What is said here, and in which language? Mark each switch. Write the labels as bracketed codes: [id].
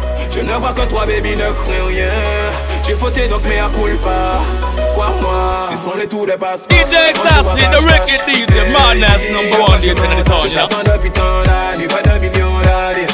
[fr] Je ne vois que toi, baby, ne crains rien. J'ai fauté donc mea culpa. Crois-moi. Ce sont les tours des passe-passe. [en] DJ Stassi, the record DJ, madness number one DJ, and it's on. [fr] J'attends depuis tant d'années, pas d'un million d'années.